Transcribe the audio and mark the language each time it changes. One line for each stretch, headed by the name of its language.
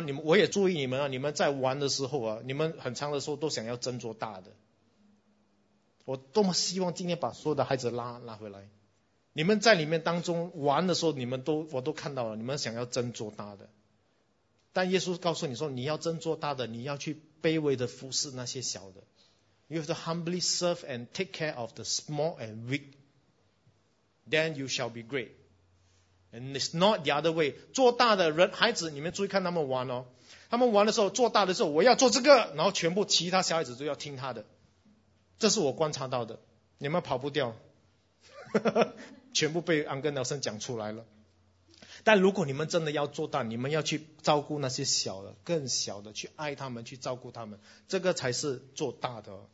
Chinese: 你们我也注意你们啊，你们在玩的时候啊，你们很长的时候都想要争做大的。我多么希望今天把所有的孩子拉回来，你们在里面当中玩的时候，我都看到了，你们想要争做大的。但耶稣告诉你说，你要争做大的，你要去卑微的服侍那些小的。
English: You have to humbly serve and take care of the small and weak, then you shall be great. And it's not the other way.
Chinese: 做大的人，孩子，你们注意看他们玩哦。他们玩的时候，做大的时候，我要做这个，然后全部其他小孩子都要听他的。这是我观察到的。你们跑不掉。全部被安根老师讲出来了。但如果你们真的要做到，你们要去照顾那些小的，更小的，去爱他们，去照顾他们，这个才是做大的。